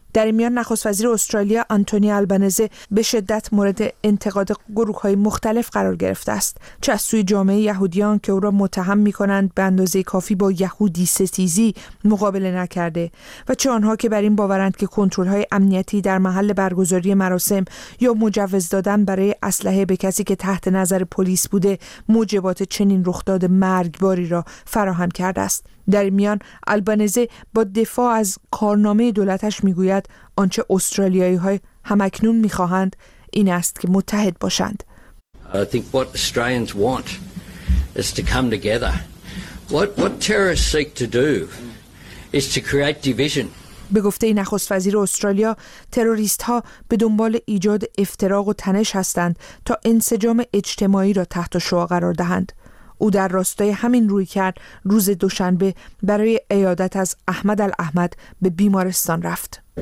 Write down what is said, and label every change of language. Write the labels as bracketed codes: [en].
[fa] در میان نخست وزیر استرالیا آنتونی آلبانزه به شدت مورد انتقاد گروه های مختلف قرار گرفته است، چه از سوی جامعه یهودیان که او را متهم می کنند به اندازه کافی با یهودی ستیزی مقابله نکرده و چه آنها که بر این باورند که کنترل های امنیتی در محل برگزاری مراسم یا مجوز دادن برای اسلحه به کسی که تحت نظر پلیس بوده موجبات چنین رخداد مرگباری را فراهم کرده است. در میان آلبانزه با دفاع از کارنامه دولتش میگوید آنچه استرالیایی های همکنون میخواهند این است که متحد باشند. [en] I think what Australians want is to come together. What terrorists seek to do is to create division. [fa] به گفته نخست وزیر استرالیا، تروریست ها به دنبال ایجاد افتراق و تنش هستند تا انسجام اجتماعی را تحت شعاع قرار دهند. او در راستای همین رویکرد روز دوشنبه برای عیادت از احمد الاحمد به بیمارستان رفت.